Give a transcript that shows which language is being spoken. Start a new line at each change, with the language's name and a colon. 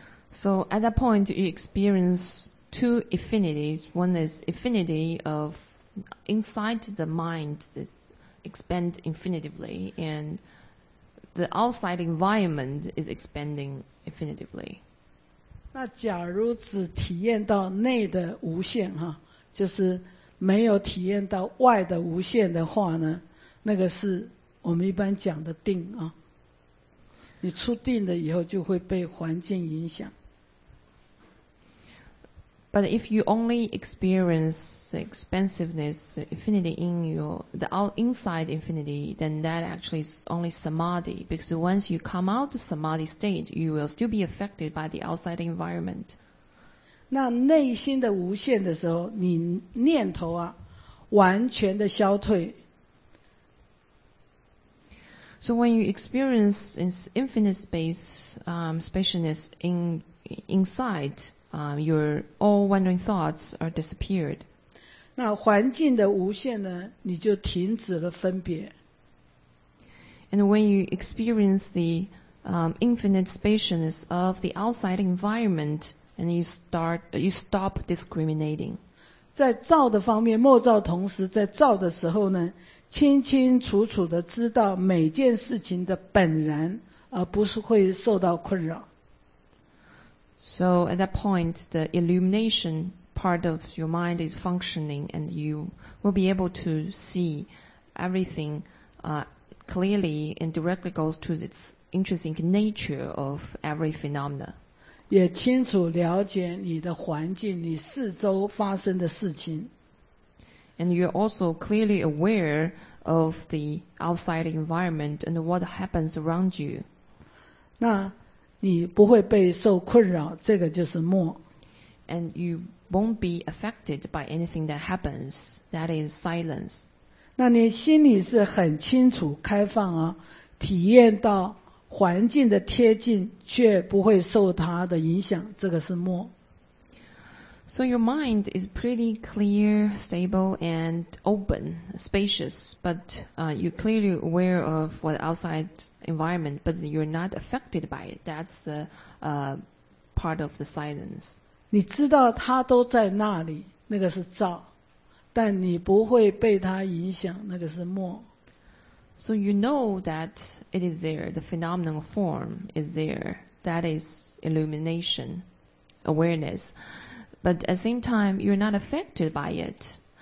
English: So at that point, you experience two infinities. One is infinity of inside the mind. This expand infinitively, and the outside environment is expanding infinitively.
Chinese: 那假如只体验到内的无限哈，就是没有体验到外的无限的话呢，那个是我们一般讲的定啊。你出定了以后，就会被环境影响。
English: But if you only experience the expansiveness, the infinity in your, the inside infinity, then that actually is only samadhi. Because once you come out of samadhi state, you will still be affected by the outside environment.
Chinese: 那内心的无限的时候，你念头啊，完全的消退。
English: So when you experience this infinite space, spaciousness inside,your all wandering thoughts are disappeared.
Chinese: 那环境的无限呢，你就停止了分别。
English: And when you experience the infinite spaciousness of the outside environment, and you stop discriminating.
Chinese: 在照的方面，默照同时在照的时候呢，清清楚楚的知道每件事情的本然，而不是会受到困扰。
English: So at that point, the illumination part of your mind is functioning, and you will be able to see everything clearly and directly goes to its interesting nature of every phenomena.
Chinese: 也清楚了解你的环境，你四周发生的事情。
English: And you're also clearly aware of the outside environment and what happens around you.
Chinese: 那你不会被受困扰，这个就是默。
English: And you won't be affected by anything that happens. That is silence.
Chinese: 那你心里是很清楚开放啊，体验到环境的贴近却不会受它的影响，这个是默。
English: So your mind is pretty clear, stable, and open, spacious, but you're clearly aware of what outside environment, but you're not affected by it. That's the part of the silence.
Chinese: 你知道它都在那里，那个是照，但你不会被它影响，那个是默。
English: So you know that it is there, the phenomenal form is there. That is illumination, awareness. But at the same time, you're not affected by it.